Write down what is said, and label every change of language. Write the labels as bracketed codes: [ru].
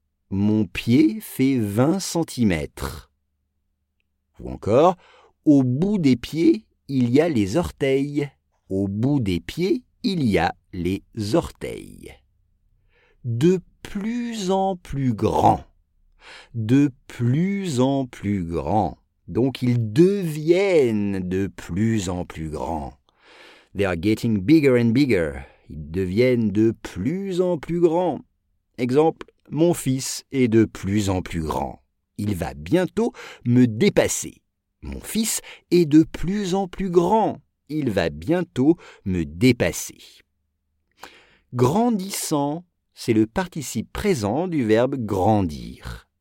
[fr] Mon pied fait 20 cm. Ou encore, au bout des pieds, il y a les orteils. Au bout des pieds, il y a les orteils. De plus en plus grand. De plus en plus grand. Donc, ils deviennent de plus en plus grands. [en] They are getting bigger and bigger. [fr] Ils deviennent de plus en plus grands. Exemple, mon fils est de plus en plus grand. Il va bientôt me dépasser. Mon fils est de plus en plus grand. Il va bientôt me dépasser. Grandissant, c'est le participe présent du verbe grandir.